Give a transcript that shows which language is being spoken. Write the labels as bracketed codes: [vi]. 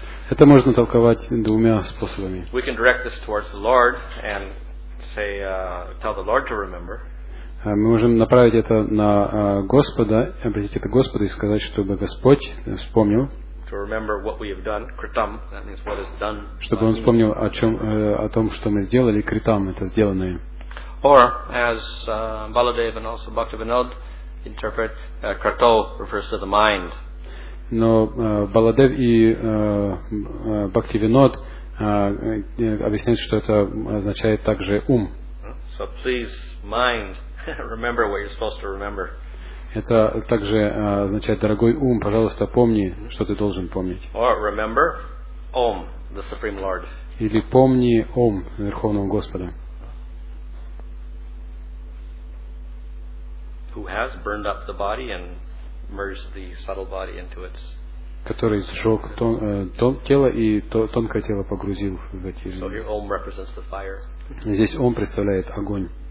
[ru] Это можно толковать двумя способами. [en] We can direct this towards the Lord and say, tell the Lord to remember. [ru] Мы можем направить это на Господа, обратить это к Господу и сказать, чтобы Господь вспомнил, чтобы Он вспомнил о чем, о том, что мы сделали, критам, это сделанное. [en] Or, as Baladeva and also Bhaktivinod interpret, krato refers to the mind. [ru] Но Баладев и Бхактивинод объясняют, что это означает также ум. [en] So please, mind. Remember what you're supposed to remember. [ru] Это также означает, дорогой ум, пожалуйста, помни, что ты должен помнить. [en] Or remember Om, the Supreme Lord. [ru] Или помни Ом, Верховного Господа. [en] Who has burned up the body and merged the subtle body into its. [ru] Который сжег тело и тонкое тело погрузил в эти. [en] So here Om represents the fire. [ru] Здесь Ом представляет огонь.